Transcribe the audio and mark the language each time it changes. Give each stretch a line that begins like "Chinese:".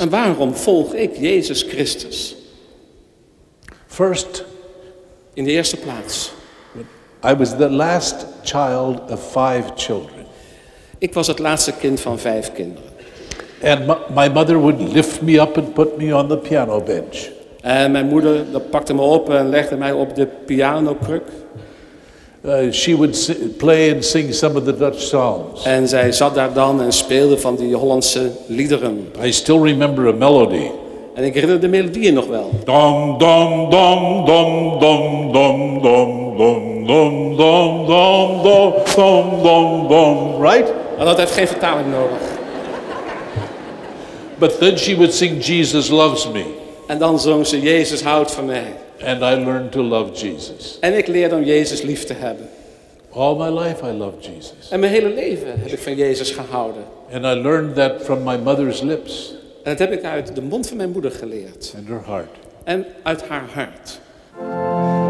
Dutch: En waarom volg ik Jezus Christus?
English: First,
Dutch: in de eerste plaats.
English: I was the last child of five children.
Dutch: Ik was het laatste kind van vijf kinderen.
English: And my mother would lift me up and put me on the piano bench.
Dutch: En mijn moeder pakte me op en legde mij op de pianokruk.
English: She would play and sing some of the Dutch songs.
Dutch: En zij zat daar dan en speelde van die Hollandse liederen.
English: I still remember a melody.
Dutch: En ik herinner de melodieën nog wel. Dom dom dom dom dom dom dom dom dom dom dom dom dom dom dom.
English: Right?
Dutch: En dat heeft geen vertaling nodig.
English: But then she would sing Jesus loves me.
Dutch: En dan zong ze Jezus houdt van mij.
English: And I learned to love Jesus.
Dutch: En ik leerde om Jezus lief te hebben.
English: All my life I loved Jesus.
Dutch: En mijn hele leven heb ik van Jezus gehouden.
English: And I learned that from my mother's lips.
Dutch: En dat heb ik uit de mond van mijn moeder geleerd.
English: And her heart.
Dutch: En uit haar hart.